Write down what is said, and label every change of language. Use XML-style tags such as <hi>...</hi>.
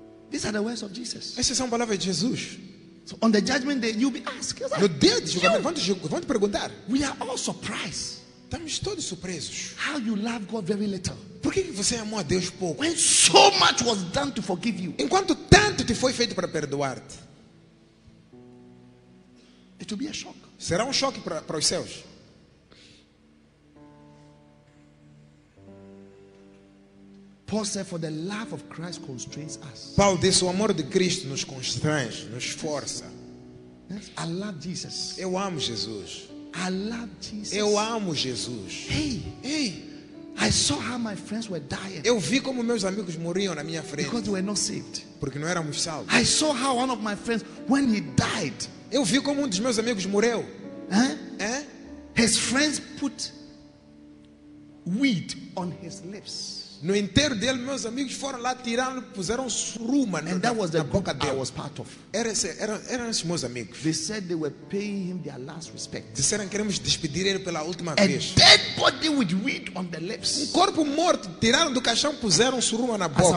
<en>These are the words of Jesus.</en> <pt>Essas são palavras de Jesus.</pt> <en>So on the judgment day, you'll be asked.</en> <pt>No dia de julgamento, vão te perguntar.</pt> <en>We are all surprised.</en> <pt>Estamos todos surpresos.</pt> <en>How you love God very little.</en> <pt>Por que você amou a Deus pouco?</pt> <en>When so much was done to forgive you.</en> <pt>Enquanto tanto te foi feito para perdoar-te.</pt> <en>It will be a shock.</en> <pt>Será choque para os céus.</pt> <en>Paul said, "For the love of Christ constrains us."</en> <pt>Paulo disse, o amor de Cristo nos constrange, nos força.</pt> <en>I love Jesus.</en> <pt>Eu amo Jesus.</pt> <en>I love Jesus.</en> <pt>Eu amo Jesus.</pt> <en>Hey, I saw how my friends were dying.</en> <pt>Eu vi como meus amigos morriam na minha frente.</pt> <en>Because they were not saved.</en> <pt>Porque não éramos salvos.</pt> <en>I saw how one of my friends, when he died.</en> <pt>Eu vi como dos meus amigos morreu.</pt> <en>His friends put weed on his lips.</en> <pt>No enterro dele, meus amigos foram lá tirando, puseram suruma</pt> <en>and that was the</en> <pt>na boca dele.</pt> <en>I was part of.</en> <pt>Eram esses meus amigos.</pt> <en>They said they were paying him their last respect.</en> <pt>Disseram que queremos despedir ele pela última a vez.</pt> <en>Dead body with weed on the lips.</en> <pt>Um corpo morto, tiraram do caixão, puseram suruma na boca.</pt>